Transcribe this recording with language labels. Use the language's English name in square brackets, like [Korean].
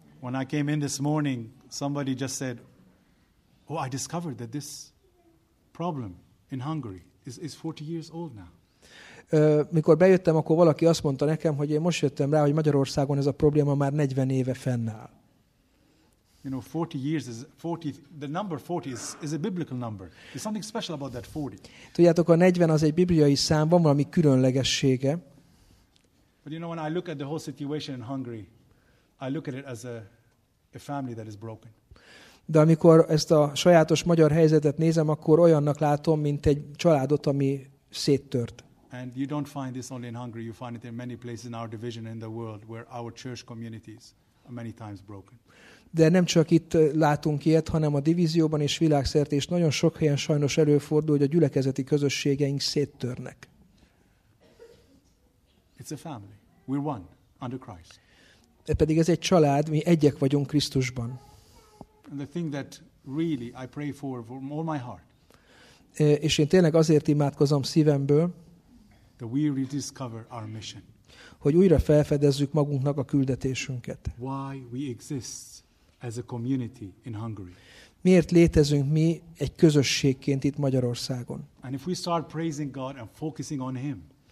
[English] When I came in this morning, somebody just said, "Oh, I discovered that this problem in Hungary is 40 years old now." [Hungarian] Mikor bejöttem, akkor valaki azt mondta nekem, hogy én most jöttem rá, hogy Magyarországon ez a probléma már 40 éve fennáll. [English] You know, 40 years is 40. The number 40 is a biblical number. There's something special about that 40. [Hungarian] Tudjátok, a 40 az egy bibliai szám, van valami különlegessége. [English] But you know, when I look at the whole situation in Hungary, I look at it as a family that is broken. [Hungarian] De amikor ezt a sajátos magyar helyzetet nézem, akkor olyannak látom, mint egy családot, ami széttört. [English] And you don't find this only in Hungary, you find it in many places in our division in the world where our church communities are many times broken. [Hungarian] De nem csak itt látunk ilyet, hanem a divízióban és világszerte, és nagyon sok helyen sajnos előfordul, hogy a gyülekezeti közösségeink széttörnek. [English] It's a family. We're one under Christ. [Hungarian] De pedig ez egy család, mi egyek vagyunk Krisztusban. [English] And the thing that really I pray for all my heart. [Hungarian] És én tényleg azért imádkozom szívemből, [English] that we rediscover our mission. [Hungarian] Hogy újra felfedezzük magunknak a küldetésünket. [English] Why we exist as a community in Hungary. [Hungarian] Miért létezünk mi egy közösségként itt Magyarországon? [English] And if we start praising God and focusing on him.